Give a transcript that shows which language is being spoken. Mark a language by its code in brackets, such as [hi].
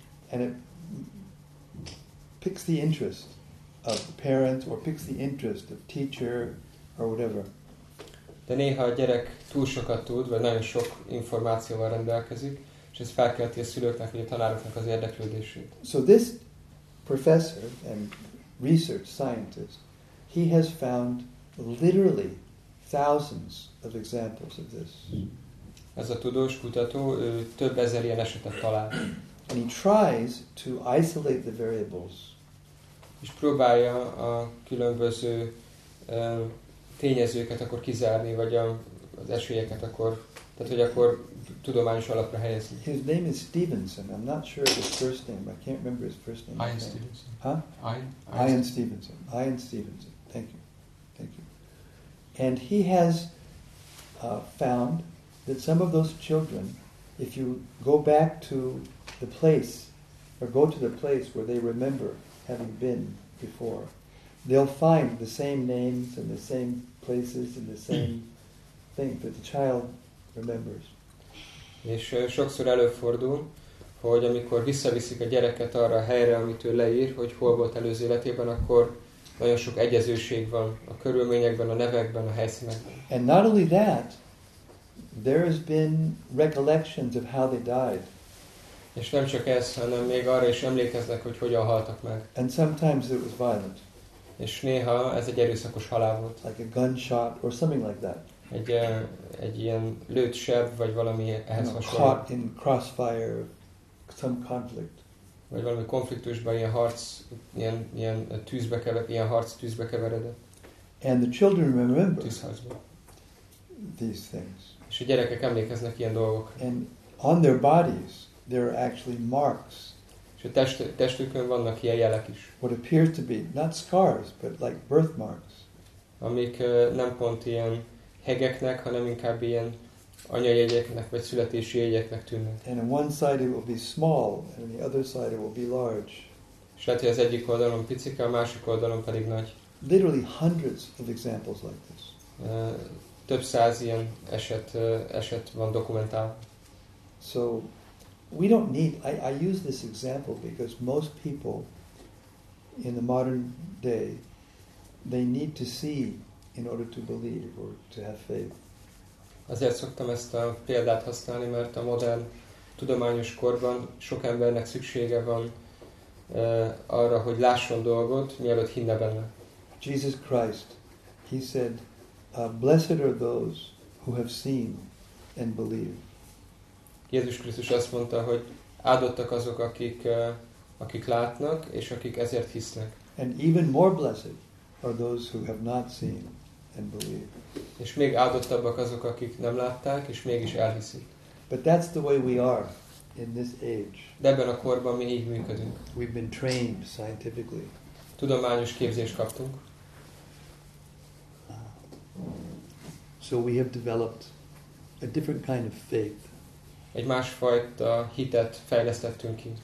[en] and it picks the interest of the parents or picks the interest of teacher or whatever. [hu] De néha a gyerek túl sokat tud, vagy nagyon sok információval rendelkezik, és ez felkelti a szülőknek vagy a tanároknak az érdeklődését. [en] So this professor and research scientist, he has found literally thousands of examples of this. [hu] Ez a tudós kutató több ezer ilyen esetet talál. [en] And he tries to isolate the variables. [hu] És próbálja a különböző tényezőket akkor kizárni, vagy az esélyeket akkor, tehát hogy akkor tudományos alapra helyezni. [en] His name is Stevenson. I'm not sure of his first name. I can't remember his first name. Ian Stevenson. Huh? Ian Stevenson. Ian Stevenson. Thank you. Thank you. And he has found that some of those children, if you go back to the place, or go to the place where they remember having been before, they'll find the same names and the same places and the same thing that the child remembers. [hu] És sokszor előfordul, hogy amikor visszaviszik a gyereket arra a helyre, amit ő leír, hogy hol volt előző életében, akkor nagyon sok egyezőség van a körülményekben, a nevekben, a helyszínekben. [en] And not only that, there has been recollections of how they died. [hu] És nem csak ez, hanem még arra is emlékeznek, hogy hogyan haltak meg. [en] And sometimes it was violent. [hu] És néha ez egy erőszakos halál volt. [en] Like a gunshot or something like that. [hu] Egy ilyen lőtt seb, vagy valami ehhez hasonló. [en] Caught in crossfire, some conflict. [hu] Vagy valami konfliktusban ilyen harc, ilyen tűzbe keveredett, ilyen harc tűzbe keveredett. [en] And the children remember. [hu] Tűzharcban. [en] These things. [hu] És a gyerekek emlékeznek ilyen dolgokra. [en] And on their bodies there are actually marks. [hu] És a testükön vannak ilyen jelek is. [en] What appears to be not scars, but like birthmarks. [hu] Amik nem pont ilyen hegeknek, hanem inkább ilyen anyajegyeknek vagy születési jegyeknek tűnnek. [en] And on one side it will be small, and on the other side it will be large. [hu] És lehet, hogy az egyik oldalon picike, a másik oldalon pedig nagy. [en] Literally hundreds of examples like this. [hu] Több száz ilyen eset van dokumentálva. [en] So we don't need, I use this example because most people in the modern day, they need to see in order to believe or to have faith. [hu] Azért szoktam ezt a példát használni, mert a modern tudományos korban sok embernek szüksége van arra, hogy lásson dolgot, mielőtt hinne benne. [en] Jesus Christ, he said, blessed are those who have seen and believe. [hu] Jézus Krisztus azt mondta, hogy áldottak azok, akik látnak és akik ezért hisznek. [en] And even more blessed are those who have not seen and believe. [hu] És még áldottabbak azok, akik nem látták és mégis elhiszik. [en] But that's the way we are in this age. [hu] De ebben a korban mi így működünk. [en] We've been trained scientifically. [hu] Tudományos képzést kaptunk. [en] So we have developed a different kind of faith. [hu] Egy másfajta hitet fejlesztettünk ki.